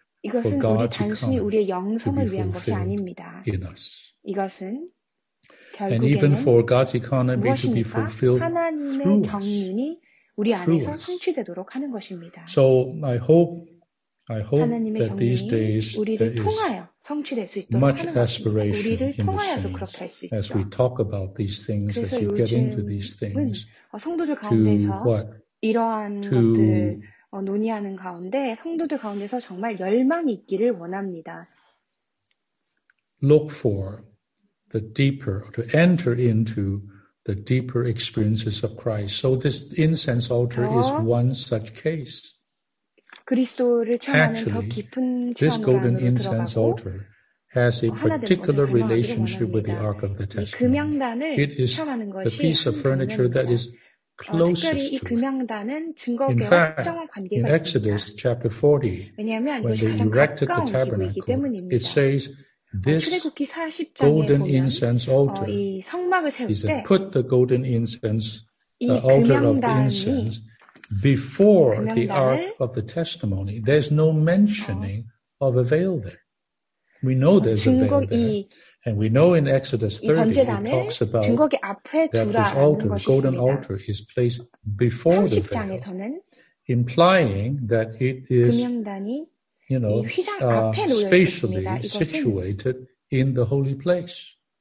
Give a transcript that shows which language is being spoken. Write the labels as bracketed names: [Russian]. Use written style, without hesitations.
[Korean] 이것은 우리 단순히 우리의 영성을 위한 것이 아닙니다. 이것은 [English] and even for God's economy to be fulfilled through us. So I hope that these days there is much aspiration in the saints as we talk about these things, as you get into these things, to what? [Korean] To 논의하는 가운데 성도들 가운데서 정말 열망이 있기를 원합니다. [English] Look for the deeper, to enter into the deeper experiences of Christ. So this incense altar is one such case. [Korean] 그리스도를 체험하는 더 깊은 체험으로 들어가고 하나님의 성전을 금향단을 체험하는 것이 있습니다. 특별히 이 금향단은 증거계와 확정한 관계가 [English] in Exodus, [Korean] 있습니다. 왜냐하면 이것이 가장 가까운 집이기 때문입니다. 출애굽기 40장에 보면 이 성막을 세울 때 [English] put the golden incense, the altar of the incense, before the Ark of the Testimony, there's no mentioning of a veil there. We know there's a veil there. And we know in Exodus 30, it talks about that this altar, the golden altar, is placed before the veil, implying that it is, you know, spatially situated in the holy place.